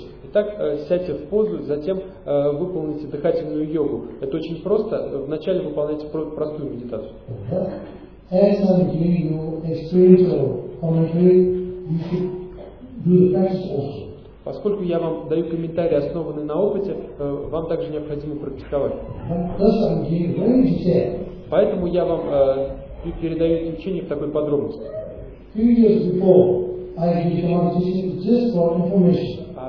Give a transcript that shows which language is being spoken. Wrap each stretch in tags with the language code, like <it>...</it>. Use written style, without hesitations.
<ru>Итак, сядьте в позу, затем выполните дыхательную йогу. Это очень просто. Вначале выполняйте простую медитацию.</ru> <en>As I'm giving you experiential commentary, you should do the practice also.</en> <ru>Поскольку я вам даю комментарии, основанные на опыте, вам также необходимо практиковать.</ru> <en>As I'm giving very detailed.</en> <ru>Поэтому я вам передаю это учение в такой подробности.</ru> <en>Few years before, I gave shamatha just for information.</en>